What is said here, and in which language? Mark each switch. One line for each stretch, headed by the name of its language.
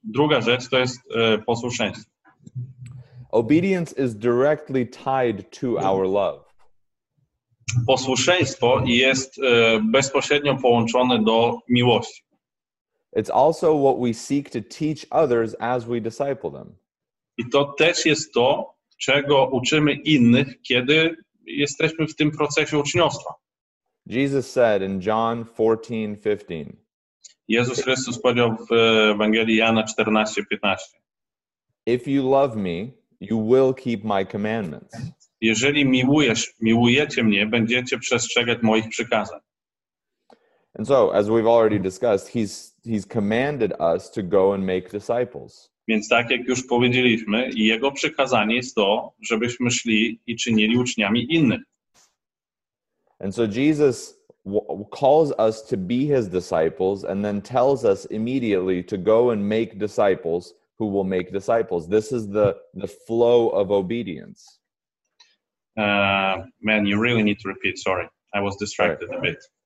Polish: Druga rzecz to jest posłuszeństwo.
English: Obedience is directly tied to our love.
Polish: Posłuszeństwo jest bezpośrednio połączone do miłości.
English: It's also what we seek to teach others as we disciple them.
Polish: I to też jest to, czego uczymy innych, kiedy jesteśmy w tym procesie uczniostwa.
English: Jesus said in John 14:15.
Polish: Jezus Chrystus powiedział w Ewangelii Jana 14:15.
English: If you love me, you will keep my commandments.
Polish: Jeżeli miłujecie mnie, będziecie przestrzegać moich przykazań.
English: And so, as we've already discussed, he's commanded us to go and make disciples.
Polish: Więc tak jak już powiedzieliśmy, jego przykazanie jest to, żebyśmy szli i czynili uczniami innych.
English: And so Jesus calls us to be his disciples and then tells us immediately to go and make disciples who will make disciples. This is the flow of obedience. Man, you really need to repeat. Sorry, I was distracted a bit.